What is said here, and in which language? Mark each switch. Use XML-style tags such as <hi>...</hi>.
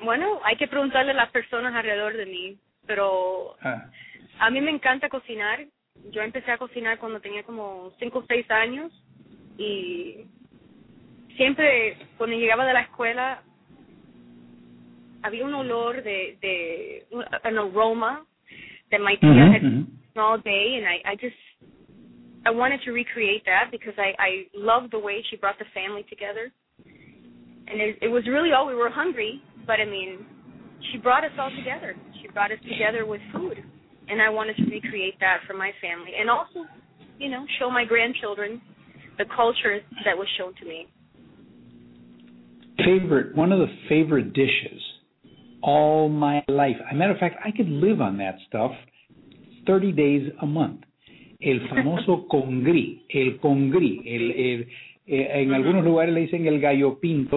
<es>Bueno, hay que preguntarle a las personas alrededor de mí, pero a mí me encanta cocinar. Yo empecé a cocinar cuando tenía como 5 o 6 años y siempre cuando llegaba de la escuela había un olor de un aroma.</es> <en>That my tia had all day, and I wanted to recreate that because I loved the way she brought the family together. And it was really all, we were hungry, but I mean, she brought us all together. She brought us together with food, and I wanted to recreate that for my family. And also, you know, show my grandchildren the culture that was shown to me. One of the favorite dishes. All my life. As a matter of fact, I could live on that stuff 30 days a month.</en> <es>El famoso congri. El congri. En algunos lugares le dicen el gallo pinto.</es>